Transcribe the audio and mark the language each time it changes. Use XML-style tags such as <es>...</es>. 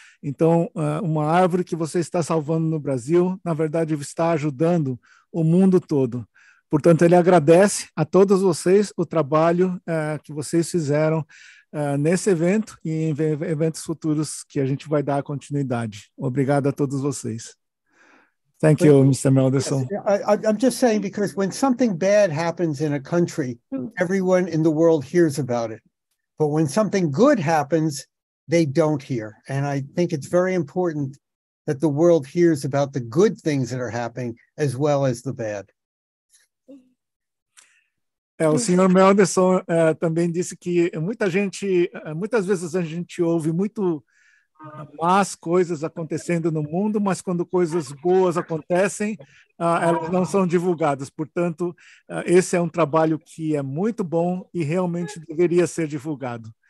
<pt>Então, uma árvore que você está salvando no Brasil, na verdade, está ajudando o mundo todo. Portanto, ele agradece a todos vocês o trabalho que vocês fizeram nesse evento e em eventos futuros que a gente vai dar continuidade. Obrigado a todos vocês.</pt> <en>Thank you, Mr. Melanson. I'm just saying, because when something bad happens in a country, everyone in the world hears about it. But when something good happens, they don't hear. And I think it's very important that the world hears about the good things that are happening as well as the bad.</en> <pt>É, o senhor Melderson também disse que muita gente, muitas vezes a gente ouve muito más coisas acontecendo no mundo, mas quando coisas boas acontecem, elas não são divulgadas. Portanto, esse é um trabalho que é muito bom e realmente deveria ser divulgado.</pt>